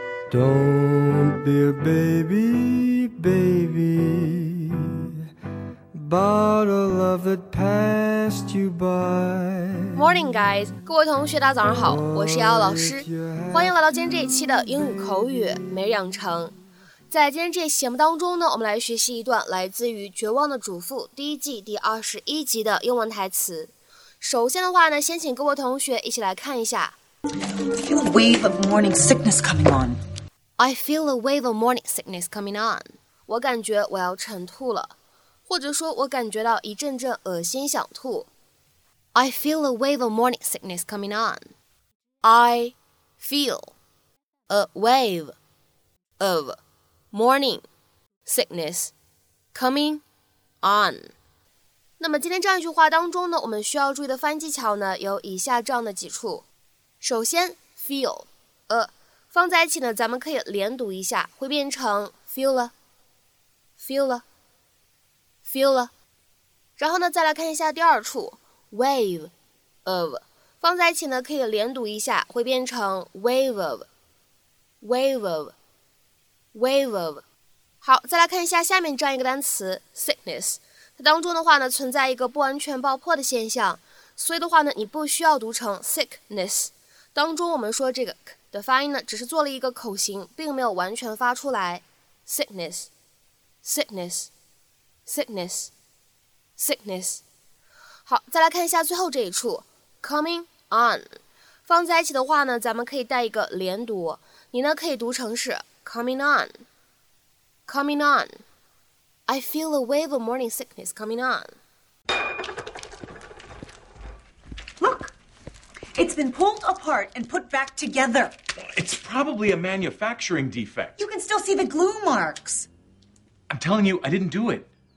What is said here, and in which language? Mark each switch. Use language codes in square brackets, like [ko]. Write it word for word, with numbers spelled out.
[en] Don't be a baby, baby, bottle of that passed you by. Morning, guys， [zh] 各位同学，大家早上好，我是姚老师，欢迎来到今天这一期的英语口语每日养成。在今天这一期节目当中呢，我们来学习一段来自于《绝望的主妇》第一季第二十一集的英文台词。首先的话呢，先请各位同学一起来看一下。 [en] Feel a wave of morning sickness coming on. I feel a wave of morning sickness coming on. [zh] 我感觉我要晨吐了，或者说我感觉到一阵阵恶心想吐。 [en] I feel a wave of morning sickness coming on. I feel a wave of morning sickness coming on. [zh] 那么今天这样一句话当中呢，我们需要注意的发音技巧呢，有以下这样的几处。首先 ，feel a。放在一起呢，咱们可以连读一下，会变成 feel 了 feel 了 feel 了。然后呢，再来看一下第二处 wave of， 放在一起呢，可以连读一下，会变成 wave of wave of wave of。好，再来看一下下面这样一个单词 sickness， 它当中的话呢，存在一个不完全爆破的现象，所以的话呢，你不需要读成 sickness。当中我们说这个 k 的发音呢，只是做了一个口型，并没有完全发出来。 [en] sickness, sickness, sickness, sickness。 [zh] 好，再来看一下最后这一处 ，coming on。放在一起的话呢，咱们可以带一个连读，你呢可以读成是 coming on, coming on。 [en] I feel a wave of morning sickness coming on. Look. It's been pulled apart and put back together. It's probably a manufacturing defect. You can still see the glue marks. I'm telling you, I didn't do it.